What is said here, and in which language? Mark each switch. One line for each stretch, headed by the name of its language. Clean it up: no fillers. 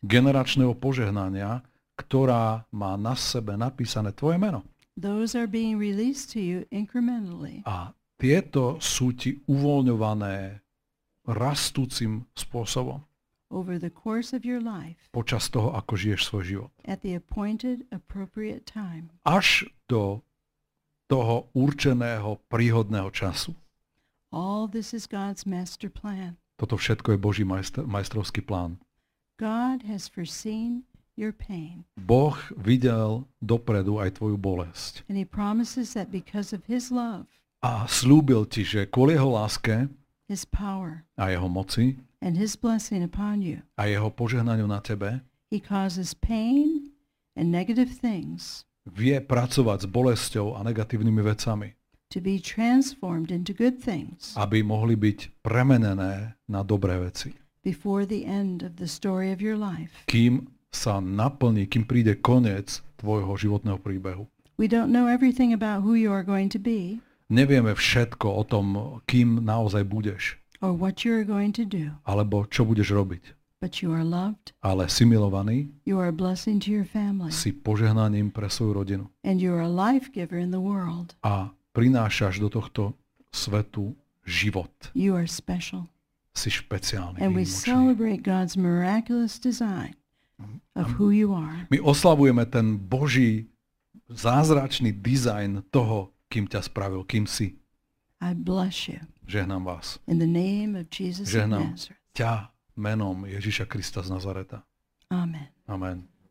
Slovak: Generačného požehnania, ktorá má na sebe napísané tvoje meno.
English: Those are being released to you incrementally.
Slovak: A tieto sú ti uvoľňované rastúcim spôsobom.
English: Over the course of your life.
Slovak: Počas toho, ako žiješ svoj život.
English: At the appointed appropriate time.
Slovak: Až do toho určeného príhodného času.
English: All this is God's master plan.
Slovak: Toto všetko je Boží majstrovský plán.
English: God has foreseen your pain.
Slovak: Boh videl dopredu aj tvoju bolesť.
English: And he promises that because of his love.
Slovak: A slúbil ti, že kvôli jeho láske,
English: his power,
Slovak: a jeho moci,
English: and his blessing upon you,
Slovak: a jeho požehnaniu na tebe,
English: he causes pain and negative things.
Slovak: Vie pracovať s bolesťou a negatívnymi vecami.
English: To be transformed into good things.
Slovak: Aby mohli byť premenené na dobré veci.
English: Before the end of the story of your life.
Slovak: Kým sa naplní, kým príde koniec tvojho životného príbehu.
English: We don't know everything about who you are going to be.
Slovak: Nevieme všetko o tom, kým naozaj budeš.
English: Or what you are going to do.
Slovak: Alebo čo budeš robiť.
English: But you are loved.
Slovak: Ale si milovaný.
English: You are a blessing to your family.
Slovak: Si požehnaním pre svoju rodinu.
English: And you are a life giver in the world.
Slovak: A prinášaš do tohto svetu život.
English: You are special.
Slovak: Si špeciálny.
English: And we celebrate God's miraculous design of who you are.
Slovak: My oslavujeme ten Boží zázračný dizajn toho, kým ťa spravil, kým si.
English: I bless you.
Slovak: Žehnám vás.
English: In the name of Jesus of Nazareth.
Slovak: Ťa menom Ježiša Krista z Nazareta.
English: Amen.
Slovak: Amen.